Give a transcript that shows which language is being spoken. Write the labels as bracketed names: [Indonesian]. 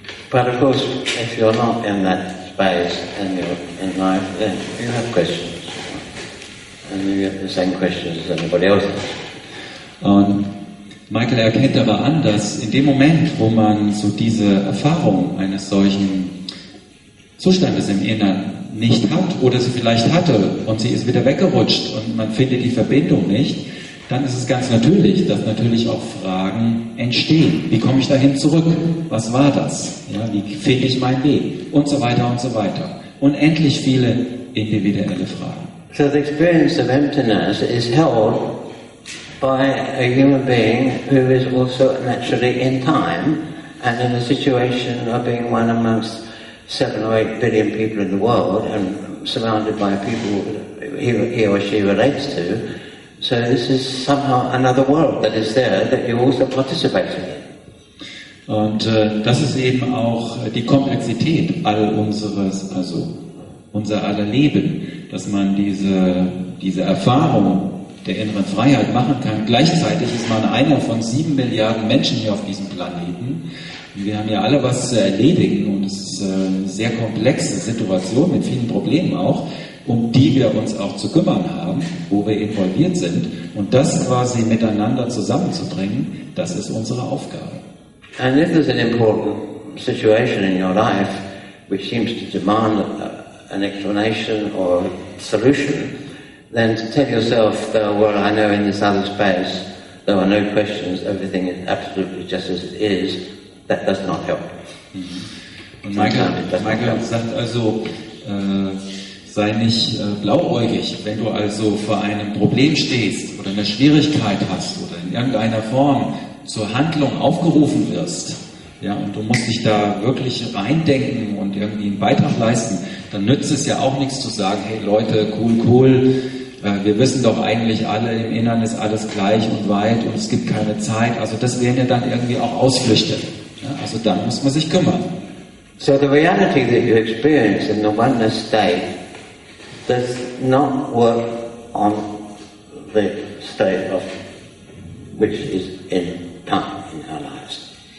[English] But of course, if you're not in that space and you're in life, then you have questions. And you get the same questions as anybody else's. [German] Und Michael erkennt aber an, dass in dem Moment, wo man so diese Erfahrung eines solchen Zustandes im Inneren nicht hat oder sie vielleicht hatte und sie ist wieder weggerutscht und man findet die Verbindung nicht, dann ist es ganz natürlich, dass natürlich auch Fragen entstehen. Wie komme ich dahin zurück? Was war das? Ja, wie finde ich meinen Weg? Und so weiter und so weiter. Unendlich viele individuelle Fragen. [English] So the experience of emptiness is held by a human being who is also naturally in time and in a situation of being one amongst 7 or 8 billion people in the world and surrounded by people he or she relates to. So this is somehow another world that is there that you also participate in. [German] Und das ist eben auch die Komplexität all unseres, also unser aller Leben, dass man diese Erfahrung der inneren Freiheit machen kann. Gleichzeitig ist man einer von 7 Milliarden Menschen hier auf diesem Planeten. Und wir haben ja alle was zu erledigen und es ist eine sehr komplexe Situation mit vielen Problemen auch, um die wir uns auch zu kümmern haben, wo wir involviert sind. Und das quasi miteinander zusammenzubringen, das ist unsere Aufgabe. [English] And if there's an important situation in your life, which seems to demand an explanation or a solution, then to tell yourself, though, well, I know in this other space, there are no questions, everything is absolutely just as it is, that does not help. [German] Und Michael sagt also, sei nicht blauäugig, wenn du also vor einem Problem stehst oder eine Schwierigkeit hast oder in irgendeiner Form zur Handlung aufgerufen wirst, ja, und du musst dich da wirklich reindenken und irgendwie einen Beitrag leisten, dann nützt es ja auch nichts zu sagen, hey Leute, cool, wir wissen doch eigentlich alle, im Inneren ist alles gleich und weit und es gibt keine Zeit. Also das wären ja dann irgendwie auch Ausflüchte. Ja, also dann muss man sich kümmern. [English] So the reality that you experience in the oneness state does not work on the state of which is in time in our lives.